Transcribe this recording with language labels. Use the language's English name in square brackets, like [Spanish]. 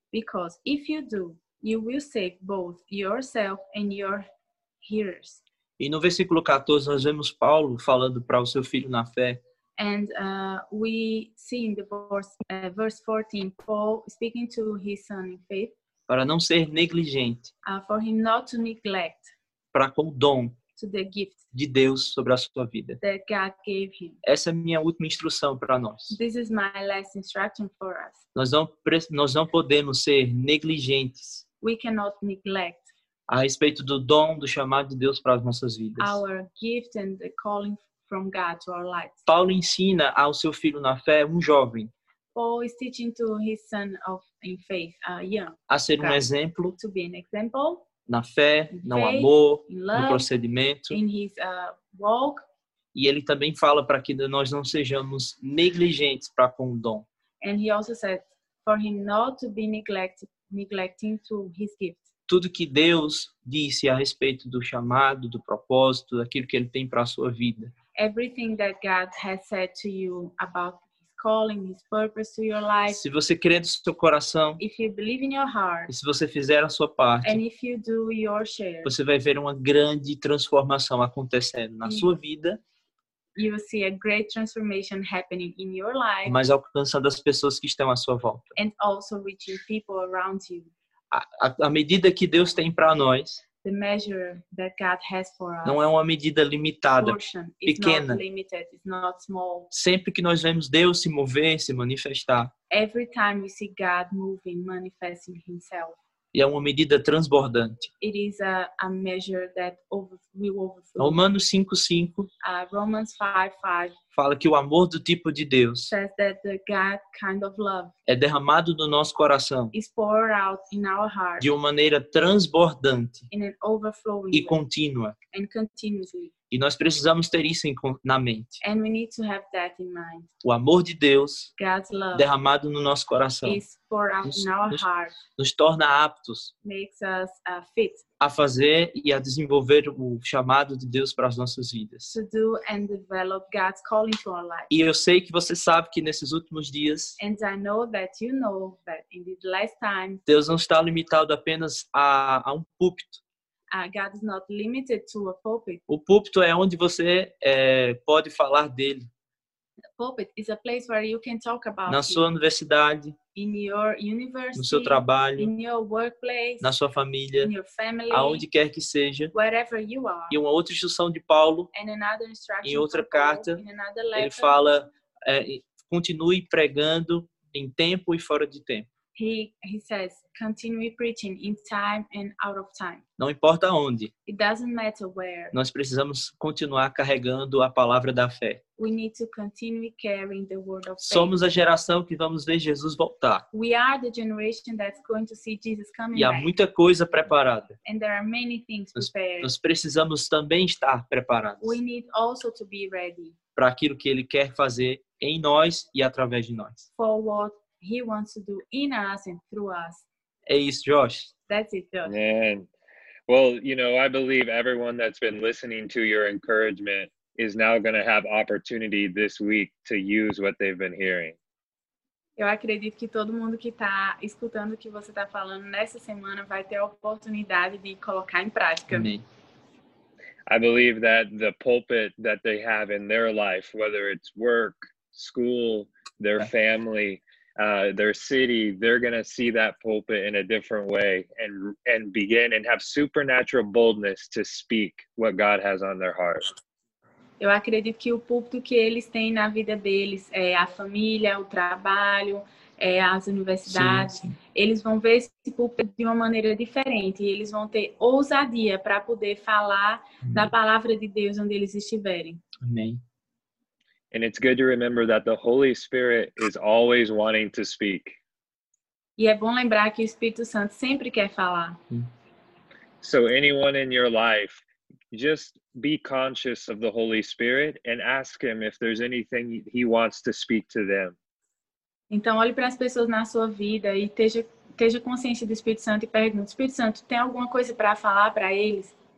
[English] Because if you do, you will save both yourself and your hearers. [Portuguese] E no versículo 14, nós vemos Paulo falando para o seu filho na fé. [English] And we see in the verse 14, Paul speaking to his son in faith. [Portuguese] Para não ser negligente. [English] For him not to neglect. [Portuguese] Para com o dom. [English] To the gift [Portuguese] de Deus sobre a sua vida. [English] That God gave him. [Portuguese] Essa é a minha última instrução para nós. [English] This is my last instruction for us. [Portuguese] Nós não podemos ser negligentes. [English] We cannot neglect. [Portuguese] A respeito do dom, do chamado de Deus para as nossas vidas. [English] Our gift and the calling from God to our lives. [Portuguese] Paulo ensina ao seu filho na fé, um jovem. [English] Paul is teaching to his son of in faith, young. [Portuguese] A ser um exemplo. [English] To be an example. [Portuguese] Na fé, no [English] faith, [Portuguese] amor, [English] love, [Portuguese] no procedimento. [English] In his, walk. [Portuguese] E ele também fala para que nós não sejamos negligentes para com o dom. [English] And he also said for him not to be neglecting to his gift. [Portuguese] Tudo que Deus disse a respeito do chamado, do propósito, daquilo que ele tem para a sua vida. [English] Everything that God has said to you about calling his purpose to your life. [Portuguese] Se você crer no seu coração, [English] if you believe in your heart, [Portuguese] e se você fizer a sua parte, [English] and if you do your share, [Portuguese] você vai ver uma grande transformação acontecendo na sua vida. [English] You will see a great transformation happening in your life, [Portuguese] mas alcançando as pessoas que estão à sua volta. [English] And also reaching people around you. [Portuguese] A medida que Deus tem para nós, [English] the measure that God has for us. [Portuguese] Não é uma medida limitada, pequena. [English] Not limited, it's not small. [Portuguese] Sempre que nós vemos Deus se mover, se manifestar. [English] Every time we see God moving, manifesting himself. [Portuguese] E é uma medida transbordante. [English] It is a measure that will overflow. [Portuguese] Romanos 5:5. [English] Romans 5:5. [Portuguese] Fala que o amor do tipo de Deus. [English] Says that the God kind of love. [Portuguese] É derramado no nosso coração. [English] Is poured out in our heart. [Portuguese] De uma maneira transbordante. [English] In an overflowing. [Portuguese] E contínua. [English] And continuously. [Portuguese] E nós precisamos ter isso na mente. [English] And we need to have that in mind. [Portuguese] O amor de Deus, [English] God's love, [Portuguese] derramado no nosso coração, [English] is for us, in our heart, [Portuguese] nos torna aptos, [English] makes us, fit, [Portuguese] a fazer e a desenvolver o chamado de Deus para as nossas vidas. [English] To do and develop God's calling to our life. [Portuguese] E eu sei que você sabe que nesses últimos dias, [English] and I know that you know that in this last time, [Portuguese] Deus não está limitado apenas a um púlpito. [English] God is not limited to a pulpit. [Portuguese] O púlpito é onde você pode falar dele. [English] A pulpit is a place where you can talk about [Portuguese] na sua universidade, [English] in your university, [Portuguese] no seu trabalho, [English] in your workplace, [Portuguese] na sua família, [English] in your family, [Portuguese] aonde quer que seja. [English] Wherever you are. [Portuguese] E uma outra instrução de Paulo, [English] and another instruction [Portuguese] em outra carta, [English] in another letter, [Portuguese] ele fala, continue pregando em tempo e fora de tempo. [English] He says, continue preaching in time and out of time. [Portuguese] Não importa onde. [English] It doesn't matter where. [Portuguese] Nós precisamos continuar carregando a palavra da fé. [English] We need to continue carrying the word of faith. [Portuguese] Somos a geração que vamos ver Jesus voltar. [English] We are the generation that's going to see Jesus coming back. [Portuguese] E há muita coisa preparada. [English] And there are many things prepared. [Portuguese] Nós precisamos também estar preparados. [English] We need also to be ready. [Portuguese] Para aquilo que Ele quer fazer em nós e através de nós. [English] For what He wants to do in us and through us. [Portuguese] É isso, Josh. [English] That's it, Josh. Man. Well, you know, I believe everyone that's been listening to your encouragement is now going to have opportunity this week to use what they've been hearing. [Portuguese] Eu acredito que todo mundo que está escutando o que você está falando nessa semana vai ter a oportunidade de colocar em prática. Amém. [English] I believe that the pulpit that they have in their life, whether it's work, school, their family, their city, they're going to see that pulpit in a different way and begin and have supernatural boldness to speak what God has on their heart. [Portuguese] Eu acredito que o púlpito que eles têm na vida deles, é a família, o trabalho, é as universidades, sim, sim. Eles vão ver esse púlpito de uma maneira diferente e eles vão ter ousadia para poder falar da palavra de Deus onde eles estiverem. Amém. [English] And it's good to remember that the Holy Spirit is always wanting to speak. [Portuguese] E é bom lembrar que o Espírito Santo sempre quer falar. [English] So anyone in your life, just be conscious of the Holy Spirit and ask Him if there's anything He wants to speak to them. [Portuguese] Então olhe para as pessoas na sua vida e esteja consciente do Espírito Santo e pergunte, Espírito Santo, tem alguma coisa para falar para eles?